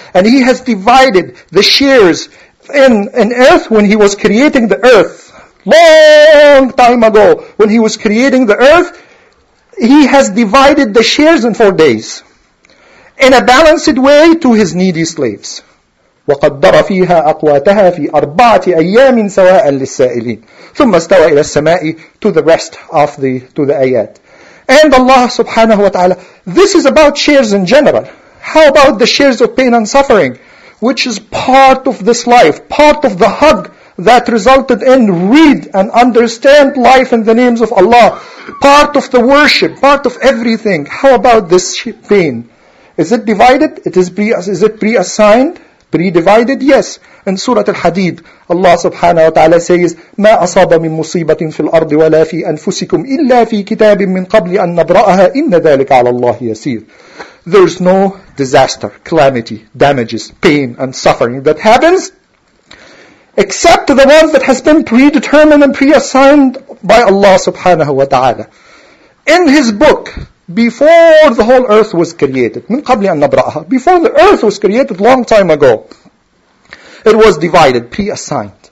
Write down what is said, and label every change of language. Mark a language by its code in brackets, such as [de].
[en] And He has divided the shares in earth when He was creating the earth. Long time ago, when He was creating the earth, He has divided the shares in 4 days. In a balanced way to His needy slaves. [ar] وَقَدَّرَ فِيهَا أَقْوَاتَهَا فِي أَرْبَعَةِ أَيَّامٍ سَوَاءً لِلسَّائِلِينَ ثُمَّ اسْتَوَى إِلَى السَّمَاءِ [en] to the rest of the to the ayat. And Allah subhanahu wa ta'ala, this is about shares in general. How about the shares of pain and suffering, which is part of this life, part of the hug that resulted in read and understand life in the names of Allah, part of the worship, part of everything. How about this pain? Is it divided? Is it pre-assigned? Pre-divided? Yes. In Surah Al-Hadid, Allah subhanahu wa ta'ala says, [ar] مَا أَصَابَ مِن مُصِيبَةٍ فِي الْأَرْضِ وَلَا فِي أَنفُسِكُمْ إِلَّا فِي كِتَابٍ مِّن قَبْلِ أَن نَبْرَأَهَا إِنَّ ذَلِكَ عَلَى اللَّهِ يَسِيرٌ. [en] there's no disaster, calamity, damages, pain and suffering that happens except the one that has been predetermined and preassigned by Allah subhanahu wa ta'ala. In his book, before the whole earth was created, [ar] من قبل أن نبرأها, [en] before the earth was created long time ago, it was divided, pre-assigned.